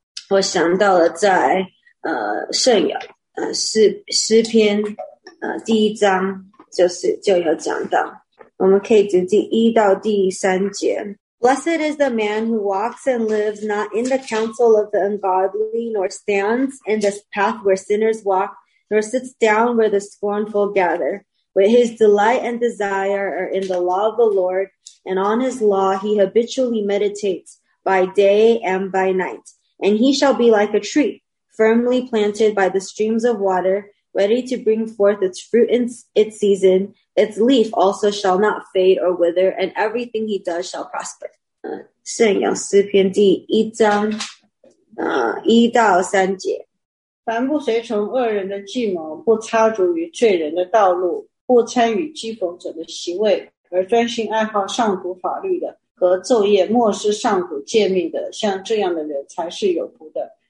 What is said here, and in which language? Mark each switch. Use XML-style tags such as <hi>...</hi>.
<zh>我想到了在圣咏诗篇第一章就有讲到，我们可以读第一到第三节。</zh> <en>Blessed is the man who walks and lives not in the counsel of the ungodly, nor stands in the path where sinners walk, nor sits down where the scornful gather. But his delight and desire are in the law of the Lord, and on his law he habitually meditates by day and by night. And he shall be like a tree, firmly planted by the streams of water, ready to bring forth its fruit in its season. Its leaf also shall not fade or wither, and everything he does shall prosper.</en> <zh>圣咏诗篇第一章一到三节。凡不随从恶人的计谋，不插足于罪人的道路，不参与讥讽者的席位，而专心爱好上古法律的和昼夜默思上古诫命的，像这样的人才是有福的。</zh>